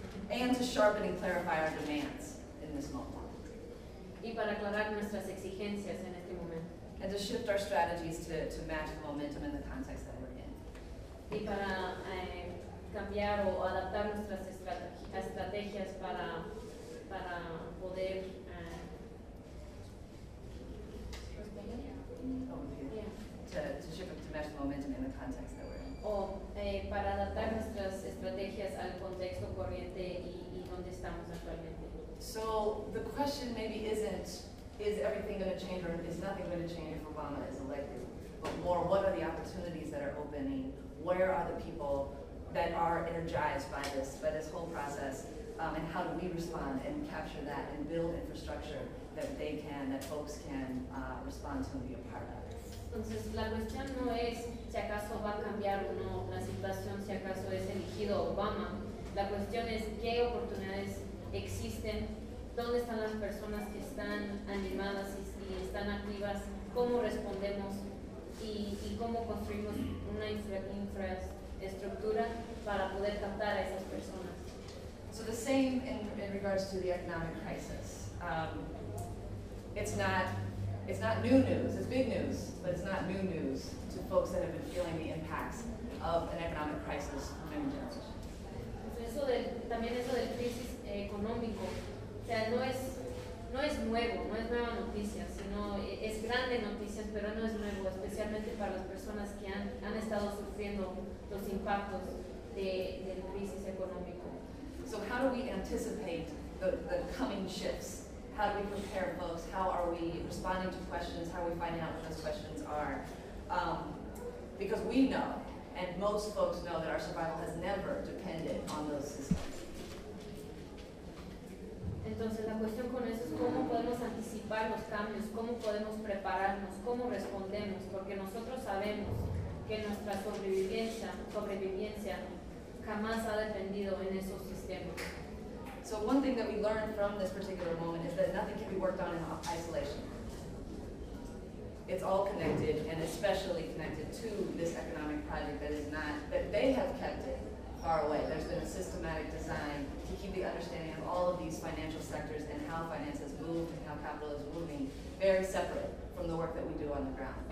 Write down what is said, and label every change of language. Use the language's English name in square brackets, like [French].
[English] And to sharpen and clarify our demands in this moment. [Spanish] Y para aclarar nuestras exigencias en este momento. [English] And to shift our strategies to match the momentum in the context that we're in. [Spanish] Y para cambiar o adaptar nuestras estrategias para poder. [English] To shift it to match the momentum in the context that we're in. [Spanish] Para adaptar nuestras estrategias al contexto corriente y donde estamos actualmente. [English] So the question maybe isn't, is everything going to change or is nothing going to change if Obama is elected? But more, what are the opportunities that are opening? Where are the people that are energized by this whole process? And how do we respond and capture that and build infrastructure that folks can respond to and be a part of? [Spanish] Entonces, la cuestión no es si acaso va a cambiar o no la situación, si acaso es elegido Obama. La cuestión es qué oportunidades existen, dónde están las personas que están animadas y están activas, cómo respondemos y cómo construimos una infraestructura para poder captar a esas personas. [English] So the same in regards to the economic crisis. It's not new news, it's big news, but it's not new news to folks that have been feeling the impacts of an economic crisis for many generations. [Spanish] Eso de, también eso del crisis económico, o sea, no es nueva noticia, sino es grande noticia, pero no es nuevo, especialmente para las personas que han estado sufriendo los impactos del crisis económico. [English] So how do we anticipate the coming shifts? How do we prepare folks? How are we responding to questions? How are we finding out what those questions are? Because we know, and most folks know, that our survival has never depended on those systems. [Spanish] Entonces, la cuestión con eso es cómo podemos anticipar los cambios, cómo podemos prepararnos, cómo respondemos, porque nosotros sabemos que nuestra sobrevivencia jamás ha dependido en esos sistemas. [English] So one thing that we learned from this particular moment is that nothing can be worked on in isolation. It's all connected, and especially connected to this economic project that they have kept it far away. There's been a systematic design to keep the understanding of all of these financial sectors and how finance has moved and how capital is moving very separate from the work that we do on the ground.